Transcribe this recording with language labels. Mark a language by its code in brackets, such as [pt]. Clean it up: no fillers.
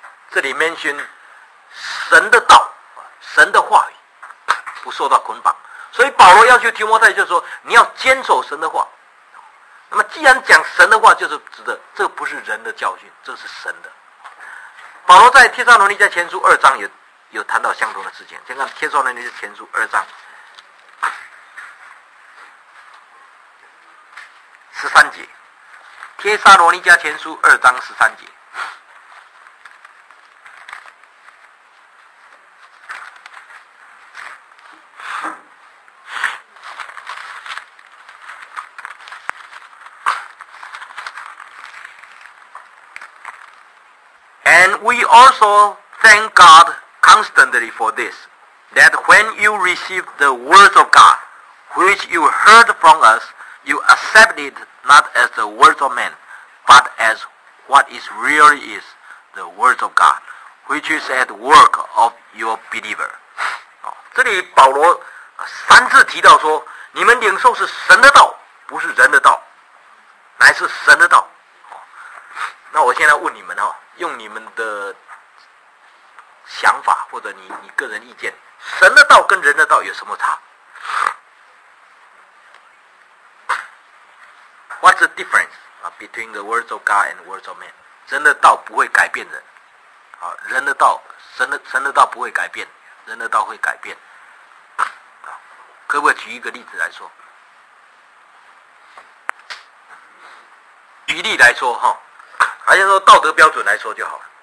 [zh] 这里 mention 神的道，神的话语不受到捆绑。所以保罗要求提摩太，就是说你要坚守神的话。那么既然讲神的话，就是指的这不是人的教训，这是神的。保罗在帖撒罗尼迦前书二章有谈到相同的事情。先看帖撒罗尼迦前书二章十三节，帖撒罗尼迦前书二章十三节 [en] ，We also thank God constantly for this, that when you received the word of God, which you heard from us, you accepted not as the word of man, but as what is really is the word of God, which is at work of your believer. [zh] 这里保罗三次提到说，你们领受是神的道，不是人的道，乃是神的道。那我现在问你们哦，用你们的想法或者你个人意见，神的道跟人的道有什么差？ [en] What's the difference between the words of God and words of man? [zh] 人的道不会改变人，人的道，神的道不会改变，人的道会改变。可不可以举一个例子来说？举例来说哈，还是说道德标准来说就好了。